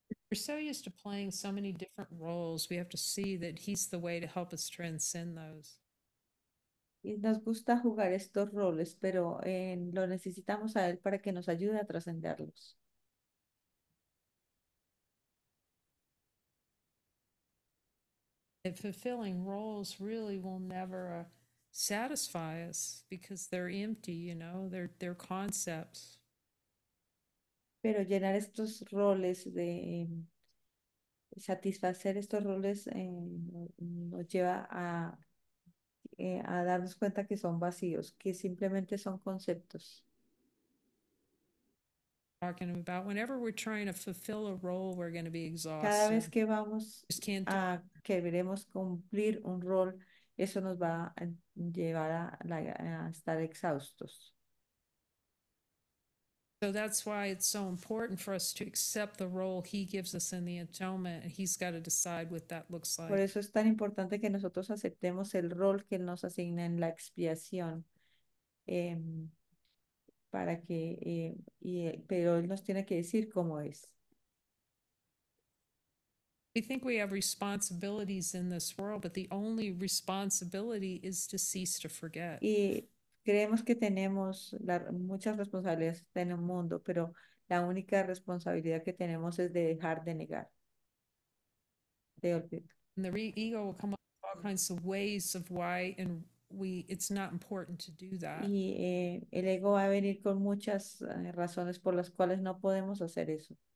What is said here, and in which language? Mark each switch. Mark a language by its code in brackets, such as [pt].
[en] We're so used to playing so many different roles, we have to see that he's the way to help us transcend those. [es] Y nos gusta jugar estos roles, pero lo necesitamos a él para que nos ayude a trascenderlos. [en] And fulfilling roles really will never satisfy us because they're empty, you know, they're concepts. [es] Pero llenar estos roles de satisfacer estos roles nos lleva a darnos cuenta que son vacíos, que simplemente son conceptos. [en] Talking about whenever we're trying to fulfill a role, we're going to be exhausted. [es] Cada vez que vamos a queremos cumplir un rol, eso nos va a llevar a estar exhaustos. [en] So that's why it's so important for us to accept the role he gives us in the atonement. He's got to decide what that looks like. [es] Por eso es tan importante que nosotros aceptemos el rol que nos asigna en la expiación. Para que, pero él nos tiene que decir cómo es. [en] We think we have responsibilities in this world, but the only responsibility is to cease to forget. [es] Y creemos que tenemos muchas responsabilidades en el mundo, pero la única responsabilidad que tenemos es de dejar de negar. De olvidar. [en] And the ego will come up with all kinds of ways of why and we it's not important to do that. [es] Y el ego va a venir con muchas razones por las cuales no podemos hacer eso.